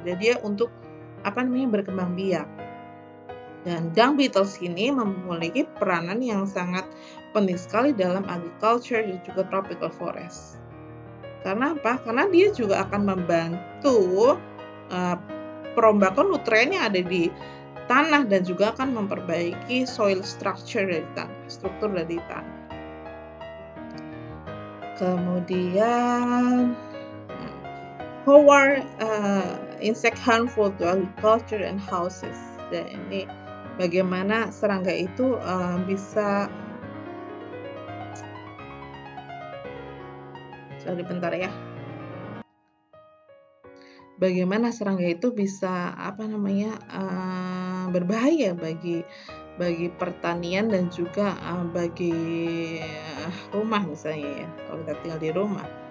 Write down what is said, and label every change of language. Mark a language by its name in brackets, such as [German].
[Indonesian] Jadi dia untuk apa namanya berkembang biak. Dan dung beetles ini memiliki peranan yang sangat penting sekali dalam agriculture dan juga tropical forest. Karena apa? Karena dia juga akan membantu perombakan nutrien yang ada di tanah dan juga akan memperbaiki soil structure dari tanah, struktur dari tanah. Kemudian, [English] how are insect harmful to agriculture and houses? [Indonesian] Dan ini bagaimana serangga itu bisa sorry bentar ya bagaimana serangga itu bisa apa namanya berbahaya bagi bagi pertanian dan juga bagi rumah misalnya ya, kalau kita tinggal di rumah.